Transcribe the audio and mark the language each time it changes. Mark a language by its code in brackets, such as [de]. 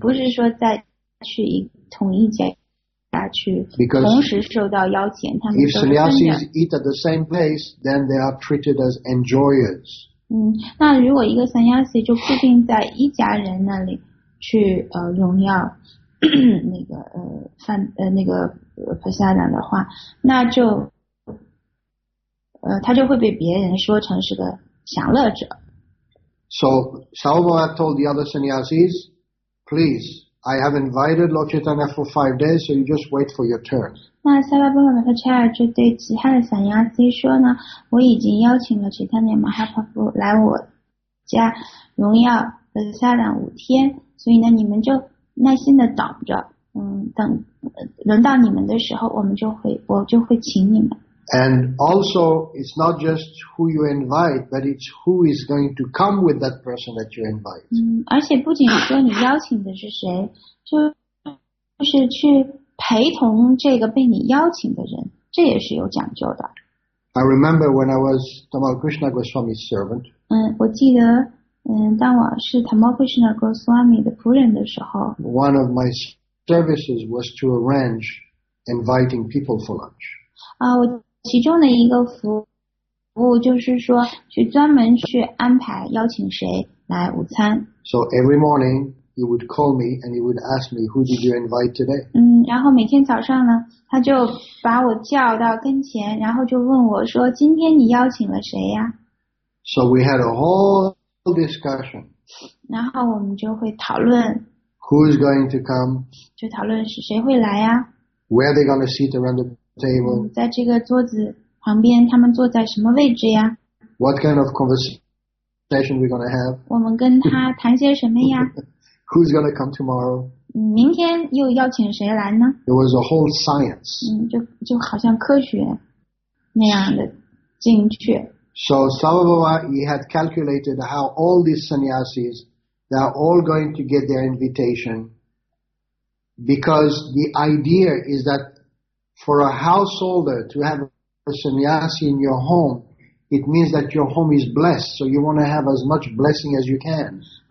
[zh] 不是说在去同一家去，同时受到邀请。他们 [en] if sannyasis eat at the same place, then they are treated as enjoyers. [zh] 那如果一个 sannyasi 就固定在一家人那里去荣耀。那个 prasadam 的话，那就他就会被别人说成是个享乐者。 [en] So Sarvabhauma told the other sannyasis, "Please, I have invited Lord Chaitanya for 5 days, so you just wait for your turn." [zh] 那 Sarvabhauma 和 Chaitanya 就对其他的 sannyasi 说呢，我已经邀请了 Chaitanya Mahaprabhu 来我家荣耀 prasadam 五天，所以呢，你们就耐心的等着，等轮到你们的时候，我就会请你们。 [en] And also, it's not just who you invite, but it's who is going to come with that person that you invite. [zh] 而且不仅说你邀请的是谁，就是去陪同这个被你邀请的人，这也是有讲究的。 [en] I remember when I was Tamal Krishna Goswami's servant. [zh] 我记得。当我是 Tamalkrishna Goswami 的仆人的时候 [en] ，One of my services was to arrange inviting people for lunch. [zh] 我其中的一个服务就是说，去专门去安排邀请谁来午餐。 [en] So every morning he would call me and he would ask me, "Who did you invite today?" [zh] 然后每天早上呢，他就把我叫到跟前，然后就问我说，今天你邀请了谁呀 [en] ？So we had a whole discussion. [zh] 然后我们就会讨论 [en] who's going to come, [zh] 就讨论是谁会来呀 [en] where are they going to sit around the table, [zh] 在这个桌子旁边他们坐在什么位置呀 [en] what kind of conversation we're going to have, [zh] 我们跟他谈些什么呀 [en] who's going to come tomorrow, [zh] 明天又邀请谁来呢 [en] it was a whole science, [zh] 就好像科学那样的进去 [en] So Sarvabhauma, he had calculated how all these sannyasis, they are all going to get their invitation because the idea is that for a householder to have a sannyasi in your home, it means that your home is blessed, so you want to have as much blessing as you can.